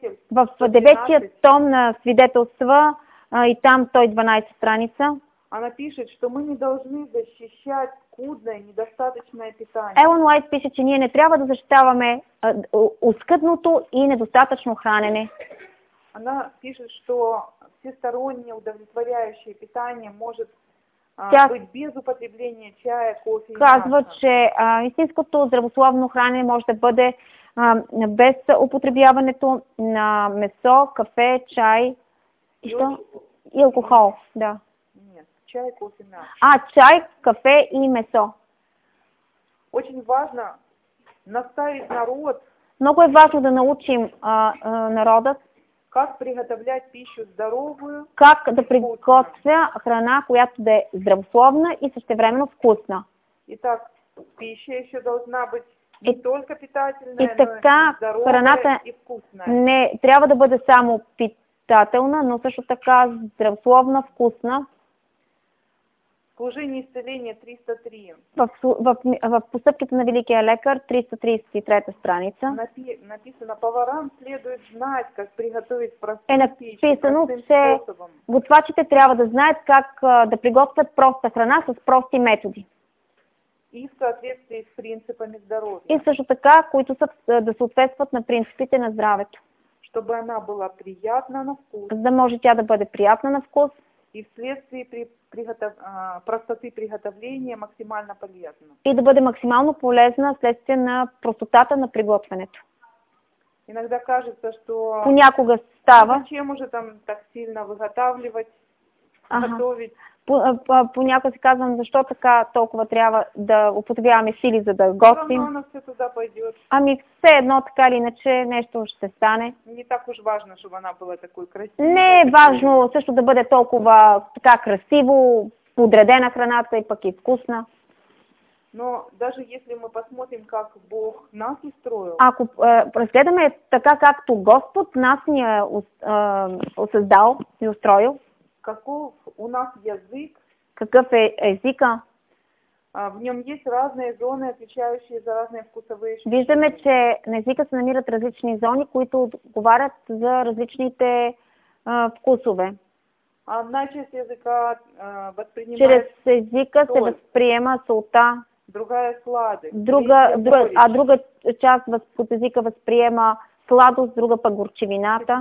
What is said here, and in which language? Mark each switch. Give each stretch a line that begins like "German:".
Bulgarian: В деветия том на свидетелства и там той 12 страница.
Russian: Она пишет, что мы не должны защищать скудное, недостаточное питание.
Bulgarian: Елън Уайт пише, че ние не трябва да защитаваме оскъдното и недостатъчно хранене.
Russian: Она пишет, что всестороннее удовлетворяющее питание может быть без употребления чая, кофе и мяса.
Bulgarian: Казва, че истинското здравословно хранене може да бъде без употребяването на месо, кафе, чай и алкохол. Да.
Russian: Нет, чай, кофе, мяс.
Bulgarian: Чай, кафе и месо.
Russian: Очень важно наставить народ.
Bulgarian: Много е важно да научим народа
Russian: как приготовлять пищу здоровую.
Bulgarian: Как да приготвя храна, която да е здравословна и същевременно вкусна.
Russian: Итак, пища еще должна быть не только питательная,
Bulgarian: и така,
Russian: но и здоровая,
Bulgarian: храната
Russian: и вкусная.
Bulgarian: Не трябва да бъде само питателна, но също така здравословна, вкусна.
Russian: Служение исцеление 303.
Bulgarian: В постъпките на Великия лекар, 333 страница.
Russian: Написано, поварам следует знать, как приготовить простую пищу.
Bulgarian: Е написано, че готвачите трябва да знаят как да приготвят проста храна с прости методи.
Russian: И в соответствии с принципами здоровья.
Bulgarian: И също така, които са да съответстват на принципите на здравето.
Russian: Чтобы она была приятна на вкус.
Bulgarian: За да може тя да бъде приятна на вкус.
Russian: И вследствие простоты приготовления максимально полезна.
Bulgarian: И да бъде максимално полезна вследствие на простотата на приготвянето.
Russian: Иногда кажется, что...
Bulgarian: Понякога става...
Russian: Зачем уже там так сильно выготавливать, готовить...
Bulgarian: Понякога си казвам, защо така толкова трябва да употребяваме сили, за да готвим. Ами все едно, така или иначе, нещо ще стане.
Russian: Не так уж важно, чтобы она была такой красивой.
Bulgarian: Не е важно също да бъде толкова така красиво, подредена храната и пък и вкусна.
Russian: Но даже если мы посмотрим, как Бог нас устроил.
Bulgarian: Ако разгледаме така, както Господ нас ни е създал и устроил.
Russian: Каков у нас язык?
Bulgarian: Какъв е езика?
Russian: В нем есть разные зоны, отвечающие за разные вкусовые ощущения.
Bulgarian: Виждаме, че на езика се намират различни зони, които отговарят за различните вкусове. А начист языка възпринимает. Чрез езика се възприема солта.
Russian: Другая сладость.
Bulgarian: Друга част от езика възприема сладост, друга пък горчивината.